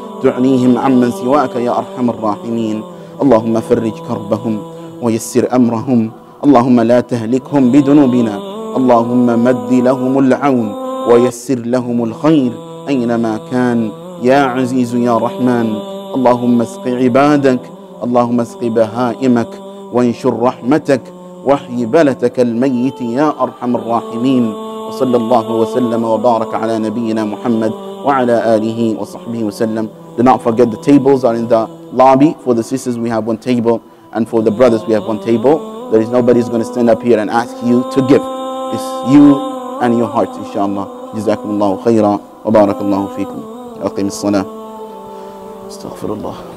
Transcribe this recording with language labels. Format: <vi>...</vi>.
<ar>تعنيهم عمن سواك يا أرحم الراحمين اللهم فرج كربهم ويسر أمرهم اللهم لا تهلكهم بذنوبنا اللهم مد لهم العون ويسر لهم الخير أينما كان يا عزيز يا رحمن اللهم اسق عبادك اللهم اسق بهائمك وانشر رحمتك واحي بلتك الميت يا أرحم الراحمين وصلى الله وسلم وبارك على نبينا محمد وعلى آله وصحبه وسلم.</ar> <en>Do not forget the tables are in the lobby. For the sisters we have one table and for the brothers we have one table. There is nobody who's going to stand up here and ask you to give. It's you and your heart, inshallah.</en> <ar>جزاكم الله خيرا وبارك الله فيكم. أقيم الصلاة. استغفر الله.</ar>